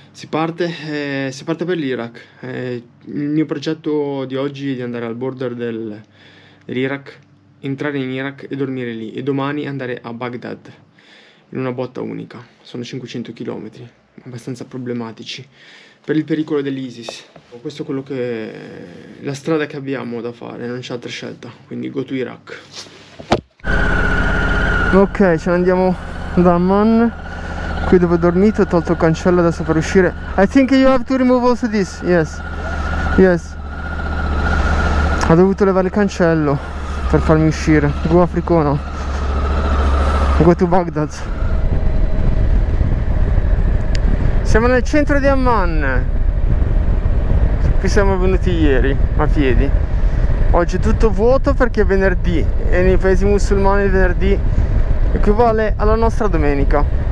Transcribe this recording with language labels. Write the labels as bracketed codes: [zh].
[it] Si parte per l'Iraq, il mio progetto di oggi è di andare al border dell'Iraq, entrare in Iraq e dormire lì, e domani andare a Baghdad, in una botta unica, sono 500 km, abbastanza problematici. Per il pericolo dell'ISIS, questo è quello che la strada che abbiamo da fare, non c'è altra scelta, quindi [en] go to Iraq. [it] Ok, ce ne andiamo da Amman, qui dove ho dormito, ho tolto il cancello adesso per uscire. [en] I think you have to remove also this, yes. [it] Ho dovuto levare il cancello per farmi uscire, go africano, [en] go to Baghdad. [it] Siamo nel centro di Amman, qui siamo venuti ieri a piedi, oggi è tutto vuoto perché è venerdì e nei paesi musulmani il venerdì equivale alla nostra domenica.